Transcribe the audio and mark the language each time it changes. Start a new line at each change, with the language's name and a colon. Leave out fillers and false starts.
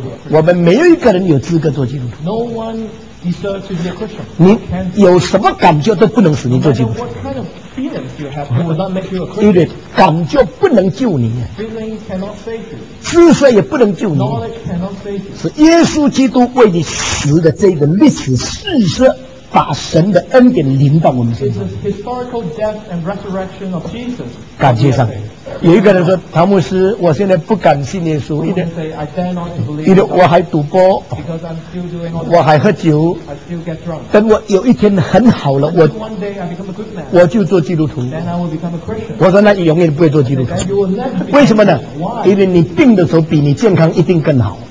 Chinese: 我们没有一个人有资格做基督徒。
English: No one deserves to be a Christian.
Chinese: 你有什么感觉都不能使你做基督徒。
English: What kind of feelings you have will not make you a Christian.
Chinese: 对不对？感觉不能救你。
English: Feeling cannot save you.
Chinese: 知识也不能救你。
English: Knowledge cannot save you.
Chinese: 是耶稣基督为你死的这个历史事实。把神的恩典临到我们身上。
English: It's a historical death and resurrection of Jesus.
Chinese: 感谢上帝。有一个人说，唐牧师，我现在不敢信耶稣，因为我还赌博，我还喝酒，等我有一天很好了，我就做基督徒。我说那你永远不会做基督徒，为什么呢？因为你病的时候比你健康一定更好。